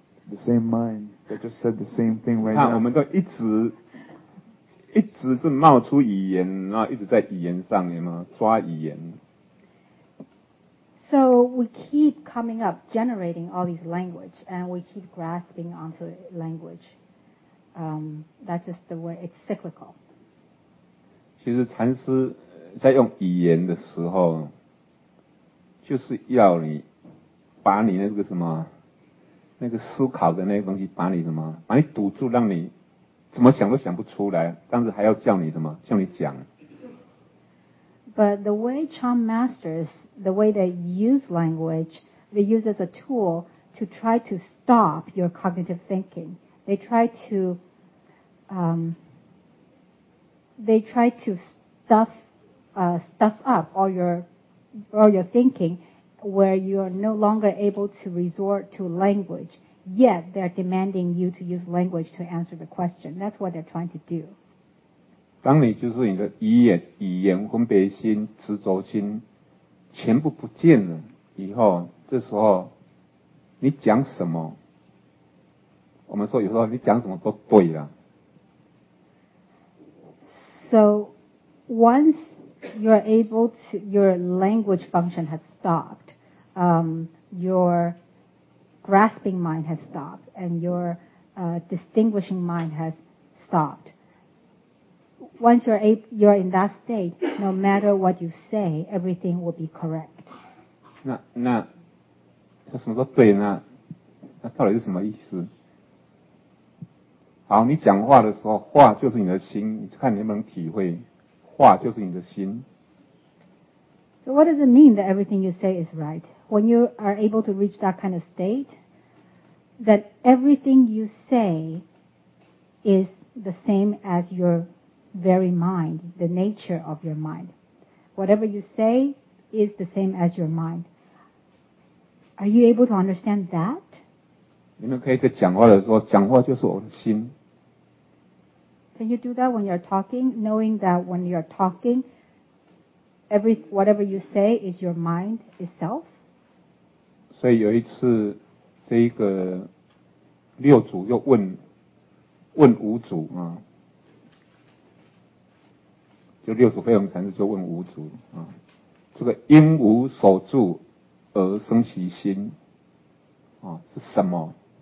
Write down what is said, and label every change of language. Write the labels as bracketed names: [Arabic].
[English] The same mind that just said the same thing right now. [Chinese] 看，我们都一直是冒出语言，然后一直在语言上，有没有抓语言？ [English] So we keep coming up, generating all these language, and we keep grasping onto language. That's just the way it's cyclical. [Chinese] 其实禅师在用语言的时候。就是要你把你那个什么那个思考的那个东西把你什么把你堵住让你怎么想都想不出来但是还要叫你什么叫你讲 [English] But the way Chan masters the way they use language they use as a tool to try to stop your cognitive thinking they try to stuff up all your thinking where you are no longer able to resort to language yet they're demanding you to use language to answer the question that's what they're trying to do [Chinese] 当你就是你的语言分别心执着心全部不见了以后这时候你讲什么，我们说有时候你讲什么都对了。 [English] So once you're able to, your language function has stopped, your grasping mind has stopped, and your distinguishing mind has stopped. Once you're in that state, no matter what you say, everything will be correct. [Chinese] 那说什么都对，那到底是什么意思？好，你讲话的时候，话就是你的心，你看你能不能体会，话就是你的心。 [English] So what does it mean that everything you say is right? When you are able to reach that kind of state, that everything you say is the same as your very mind, the nature of your mind. Whatever you say is the same as your mind. Are you able to understand that? [Chinese] 你们可以在讲话的时候，讲话就是我的心。 [English] Can you do that when you're talking, knowing that when you're talking, whatever you say is your mind itself? [Chinese] 所以有一次，这一个六祖就问五祖啊，就六祖慧能禅师就问五祖啊，这个因无所住而生其心啊是什么？